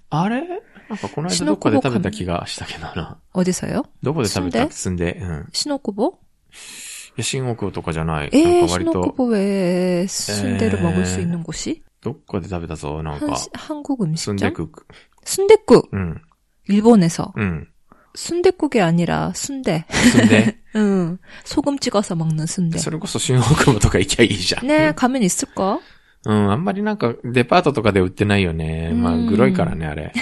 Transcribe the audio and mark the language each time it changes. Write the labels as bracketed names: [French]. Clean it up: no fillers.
[Korean] 아래아까그날도어디서 [Japanese] 食べた気がしたけどな [Korean] 어디서요 [Japanese] どこで食べた순대 [Korean] 신오쿠보 [Japanese] 신오쿠보とかじゃない [Korean] 신오쿠보에순대를먹을수있는곳이 [Japanese] どこで食べたぞなんか [Korean] 한국음식점 순대국 순대국일본에서 순 대국이아니라순대 순대 소금찍어서먹는순대 [Japanese] それこそ新大久保とか行きゃいいじゃん [Korean] 네가면있을까 [Japanese] あんまりなんかデパートとかで売ってないよねまあグロいからねあれ